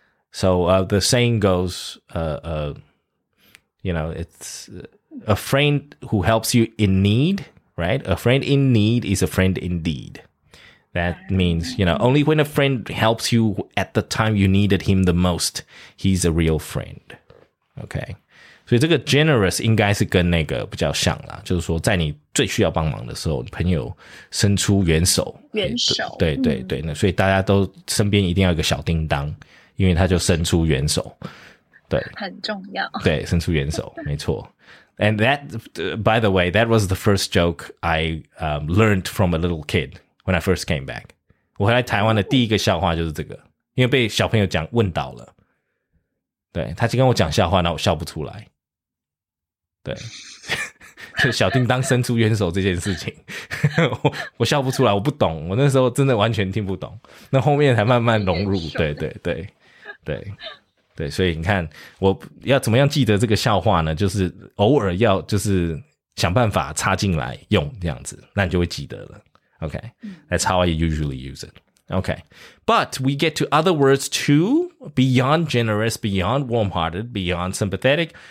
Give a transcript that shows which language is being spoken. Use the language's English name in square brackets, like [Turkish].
[English] So the saying goes, you know, it's a friend who helps you in need, right? A friend in need is a friend indeed. That means, you know, only when a friend helps you at the time you needed him the most, he's a real friend, okay? [Chinese] 所以这个 generous 应该是跟那个比较像啦，就是说在你最需要帮忙的时候，朋友伸出援手。援手。对对 对, 对，所以大家都身边一定要有一个小叮当，因为他就伸出援手。对。很重要。对，伸出援手，没错。 [English] And that, by the way, that was the first joke I learned from a little kid when I first came back. [Chinese] 我回来台湾的第一个笑话就是这个，因为被小朋友讲问倒了。对，他就跟我讲笑话，然后我笑不出来。对，就小叮当伸出援手这件事情我笑不出来，我不懂，我那时候真的完全听不懂，那后面才慢慢融入。对对对对对，所以你看我要怎么样记得这个笑话呢，就是偶尔要就是想办法插进来用这样子，那你就会记得了。 [English] OK, that's how I usually use itOkay, but we get to other words too, beyond generous, beyond warm-hearted, beyond sympathetic.